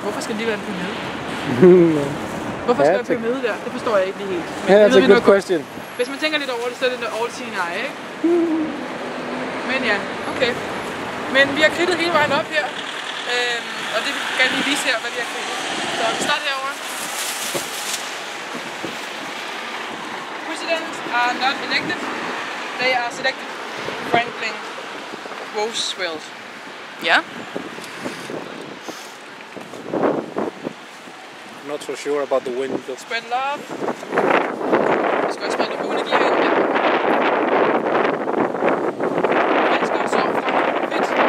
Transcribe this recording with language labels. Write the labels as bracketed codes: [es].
[da] Hvorfor skal det lige være en pyramide? Hvorfor skal der pyramide der? Det forstår jeg ikke lige helt. Men det er en god question. Hvis man tænker lidt over det, så er det [en] all seen eye, [da] ikke? Men ja, okay. Men vi har kridtet hele vejen op her. Og det vil vi gerne lige vise her, hvad vi har kridtet. Så vi starter herovre. [en] Presidents are not elected. They are selected. Franklin Roosevelt. [da] Ja. [en] I'm not so sure about the wind. But... spread love. [da] Vi skal også spredte gode energi herinde. Vi skal også sove for fedt.